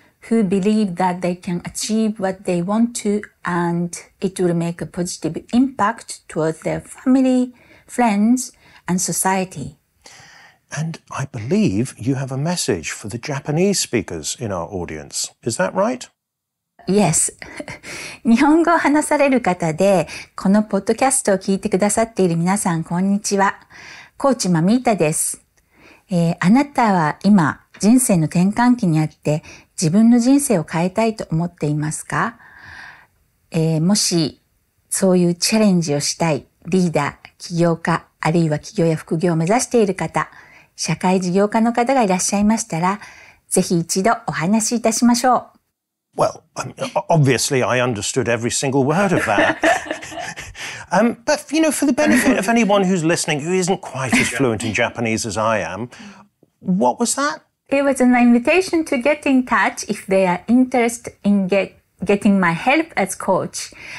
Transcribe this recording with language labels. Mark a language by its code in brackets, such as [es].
[en] who believe that they can achieve what they want to and it will make a positive impact towards their family, friends, and society. And I believe you have a message for the Japanese speakers in our audience. Is that right? Yes. [ja] 日本語を話される方で、このポッドキャストを聞いてくださっている皆さん、こんにちは。コーチマミータです。あなたは今、人生の転換期にあって、自分の人生を変えたいと思っていますか？もし、そういうチャレンジをしたい、リーダー、起業家、あるいは起業や副業を目指している方、社会事業家の方がいらっしゃいましたら、ぜひ一度お話しいたしましょう。 [en] Well, I mean, obviously, I understood every single word of that. But, you know, for the benefit of anyone who's listening who isn't quite as fluent in Japanese as I am, what was that? It was an invitation to get in touch if they are interested in getting my help as coach.